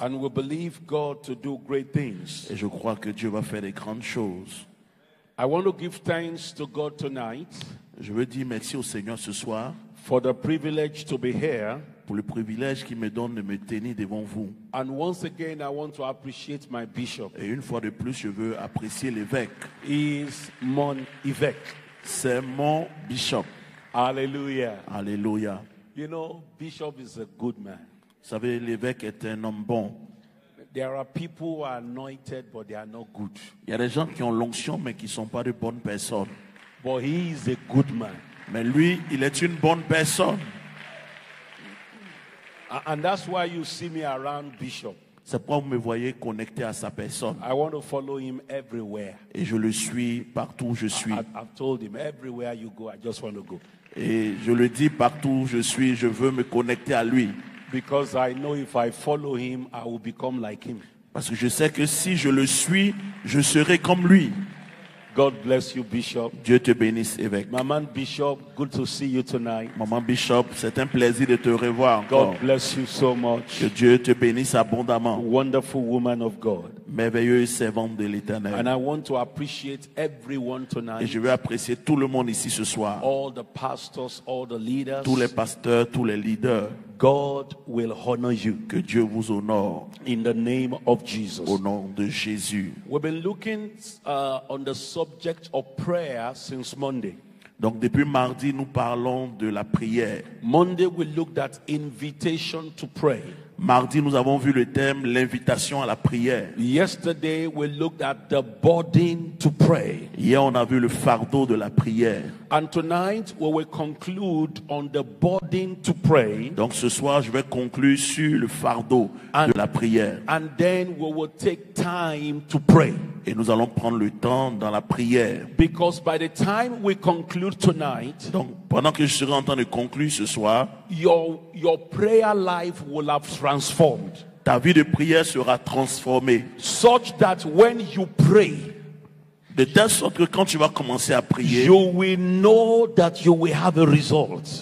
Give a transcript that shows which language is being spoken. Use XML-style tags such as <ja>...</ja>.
<en>And we believe God to do great things.</en> <fr>Et je crois que Dieu va faire des grandes choses.</fr> <en>I want to give thanks to God tonight.</en> <fr>Je veux dire merci au Seigneur ce soir.</fr> <en>For the privilege to be here.</en> <fr>Pour le privilège qu'il me donne de me tenir devant vous.</fr> <en>And once again, I want to appreciate my bishop.</en> <fr>Et une fois de plus, je veux apprécier l'évêque.</fr> <en>He is</en> <fr>mon évêque. C'est mon bishop. Hallelujah. Hallelujah.</fr> <en>You know, bishop is a good man.</en> <fr>Vous savez, l'évêque est un homme bon.</fr> <en>There are people who are anointed, but they are not good.</en> <fr>Il y a des gens qui ont l'onction, mais qui ne sont pas de bonnes personnes.</fr> <en>But he is a good man.</en> <fr>Mais lui, il est une bonne personne.</fr> <en>And that's why you see me around Bishop.</en> <fr>C'est pourquoi vous me voyez connecté à sa personne.</fr> <en>I want to follow him everywhere.</en> <fr>Et je le suis partout où je suis.</fr> <en>I've told him, everywhere you go, I just want to go.</en> <fr>Et je le dis partout où je suis, je veux me connecter à lui.</fr> <en>Because I know if I follow him, I will become like him.</en> <fr>Parce que je sais que si je le suis, je serai comme lui.</fr> <en>God bless you, Bishop.</en> <fr>Dieu te bénisse, évêque.</fr> <en>Maman Bishop, good to see you tonight.</en> <fr>Maman Bishop, c'est un plaisir de te revoir encore.</fr> <en>God bless you so much.</en> <fr>Que Dieu te bénisse abondamment.</fr> <en>Wonderful woman of God.</en> <fr>Merveilleuse servante de l'Éternel.</fr> <en>And I want to appreciate everyone tonight.</en> <fr>Et je veux apprécier tout le monde ici ce soir.</fr> <en>All the pastors, all the leaders.</en> <fr>Tous les pasteurs, tous les leaders.</fr> <en>God will honor you.</en> <fr>Que Dieu vous honore.</fr> <en>In the name of Jesus.</en> <fr>Au nom de Jésus.</fr> <en>We've been looking on the subject of prayer since Monday.</en> <fr>Donc depuis mardi, nous parlons de la prière.</fr> <en>Monday we looked at invitation to pray.</en> <fr>Mardi, nous avons vu le thème l'invitation à la prière.</fr> <en>Yesterday we looked at the burden to pray.</en> <fr>Hier, on a vu le fardeau de la prière.</fr> <en>And tonight we will conclude on the burden to pray.</en> <fr>Donc ce soir, je vais conclure sur le fardeau de la prière.</fr> <en>And then we will take time to pray.</en> <fr>Et nous allons prendre le temps dans la prière.</fr> <en>Because by the time we conclude tonight,</en> <fr>donc pendant que je serai en train de conclure ce soir,</fr> <en>your prayer life will have transformed.</en> <fr>Ta vie de prière sera transformée.</fr> <en>Such that when you pray,</en> <fr>de telle sorte que quand tu vas commencer à prier,</fr> <en>you will know that you will have a result.</en>